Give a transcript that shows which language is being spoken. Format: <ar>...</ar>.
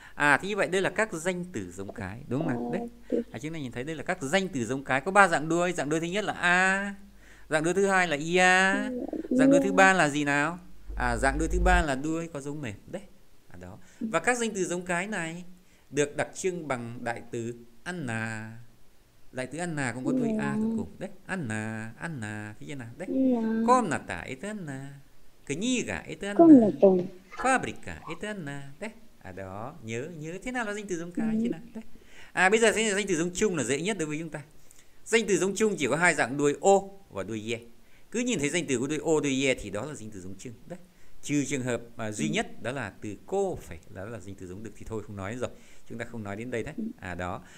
<vi>À thì như vậy đây là các danh từ giống cái đúng không ạ? Đấy. À chúng ta nhìn thấy đây là các danh từ giống cái có ba dạng đuôi, dạng đuôi thứ nhất là a, dạng đuôi thứ hai là ia, dạng đuôi thứ ba là gì nào? À dạng đuôi thứ ba là đuôi có dấu mềm đấy. À đó. Và các danh từ giống cái này được đặc trưng bằng đại từ anna. Đại từ Anna cũng có đuôi a tận cùng đấy. Anna, Anna, thế như nào đấy.</vi> <ru>Комната это Anna. Книга это Anna. Фабрика это Anna. Đấy.</ru> <vi>À đó, nhớ nhớ thế nào là danh từ giống cái chứ nào. Đấy. À bây giờ danh từ giống chung là dễ nhất đối với chúng ta. Danh từ giống chung chỉ có hai dạng đuôi ô và đuôi ye. Cứ nhìn thấy danh từ có đuôi ô đuôi ye thì đó là danh từ giống chung. Đấy. Trừ trường hợp mà duy nhất đó là từ cô phải là danh từ giống đực thì thôi không nói rồi. Chúng ta không nói đến đây đấy. À đó.</vi>